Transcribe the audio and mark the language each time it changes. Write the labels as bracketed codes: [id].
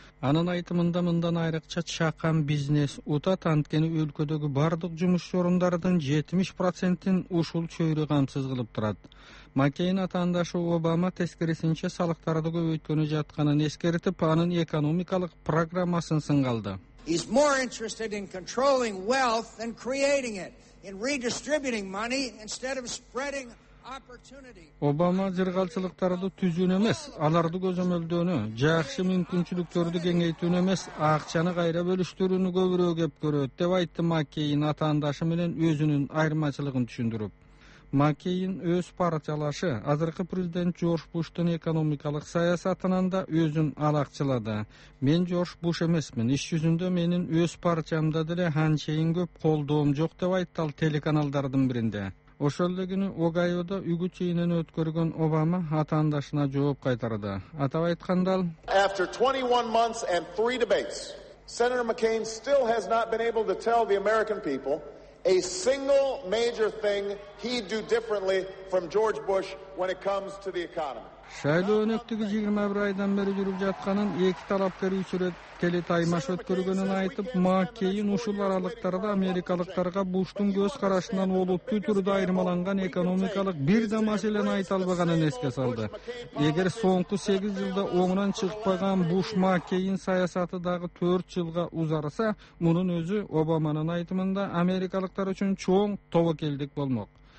[ky] Анын айтымында мындан айрыкча чакан бизнес утат, анткени өлкөдөгү бардык жумуш орундардын 70% ушул чөйрө камсыз кылып турат. Маккейн атаандашы Обама тескерисинче салыктарды көбөйткөнү жатканын эскертип, анын экономикалык программасын сынга алды. [en] He's more interested in controlling wealth than creating it, in redistributing money instead of spreading. [ky] Обама жыргалчылыктарды түзүүнү эмес, аларды көзөмөлдөөнү, жакшы мүмкүнчүлүктөрдү кеңейтүүнү эмес, акчаны кайра бөлүштүрүүнү көбүрөөк эп көрөт деп айтты Маккейн атаандашы менен өзүнүн айырмачылыгын түшүндүрүп. Маккейн өз партиялашы азыркы президент Джордж Буштун экономикалык саясатынан да өзүн алакчылады. Мен Джордж Буш эмесмин, иш жүзүндө менин өз партиямда деле анчейин көп колдоом жок деп айтты ал телеканалдардын биринде. Ошол эле күнү Огайода үгүт жыйынын өткөргөн Обама атаандашына жооп кайтарды. Атап айтканда, [en] After 21 months and 3 debates, Senator McCain still has not been able to tell the American people a single major thing he'd do differently from George Bush when it comes to the economy. [ky] Шайлоо өнөктүгү 21 айдан бери жүрүп жатканын, эки талапкер үч ирет телетаймаш өткөргөнүн айтып, Маккейн ушул аралыктарда америкалыктарга Буштун көз карашынан олуттуу түрдө айырмаланган экономикалык бир да маселени айта албаганын эске салды. Эгер соңку 8 жылда оңунан чыкпаган Буш Маккейн саясаты дагы 4 жылга узарса, мунун өзү Обаманын айтымында америкалыктар үчүн чоң тобокелдик болмок.